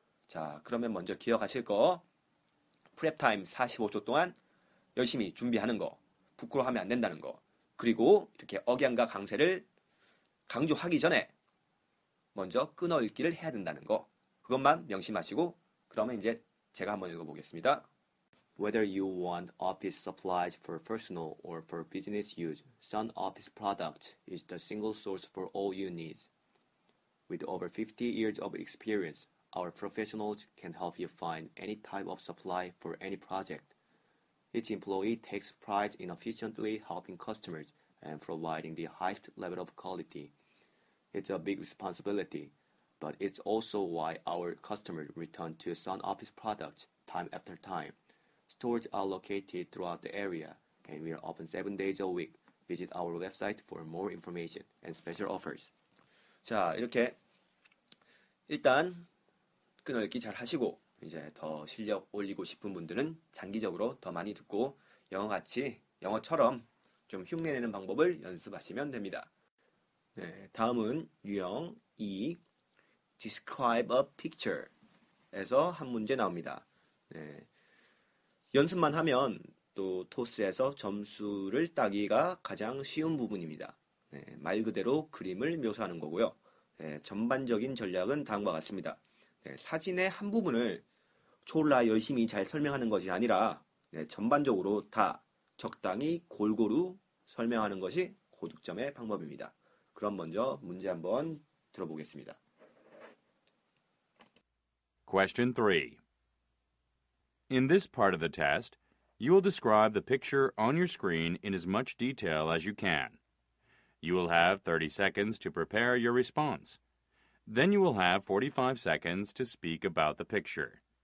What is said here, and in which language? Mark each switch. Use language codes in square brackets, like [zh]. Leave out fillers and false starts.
[ko] 자, 그러면 먼저 기억하실 거. 프랩 타임 45초 동안 열심히 준비하는 거. 부끄러워하면 안 된다는 거. 그리고 이렇게 억양과 강세를 강조하기 전에 먼저 끊어 읽기를 해야 된다는 거. 그것만 명심하시고, 그러면 이제 제가 한번 읽어보겠습니다. [en] Whether you want office supplies for personal or for business use, Sun Office product is the single source for all you need. With over 50 years of experience, our professionals can help you find any type of supply for any project. Each employee takes pride in efficiently helping customers and providing the highest level of quality. It's a big responsibility, but it's also why our customers return to Sun Office products time after time. Stores are located throughout the area, and we are open 7 days a week. Visit our website for more information and special offers. [ko] 자, 이렇게 일단 끊어읽기 잘 하시고, 이제 더 실력 올리고 싶은 분들은 장기적으로 더 많이 듣고 영어처럼 좀 흉내내는 방법을 연습하시면 됩니다. 네, 다음은 유형 2, Describe a picture에서 한 문제 나옵니다. 네. 연습만 하면 또 토스에서 점수를 따기가 가장 쉬운 부분입니다. 네, 말 그대로 그림을 묘사하는 거고요. 네, 전반적인 전략은 다음과 같습니다. 네, 사진의 한 부분을 졸라 열심히 잘 설명하는 것이 아니라, 네, 전반적으로 다 적당히 골고루 설명하는 것이 고득점의 방법입니다. 그럼 먼저 문제 한번 들어보겠습니다. [en] Question 3. In this part of the test, you will describe the picture on your screen in as much detail as you can. You will have 30 seconds to prepare your response. Then you will have 45 seconds to speak about the picture.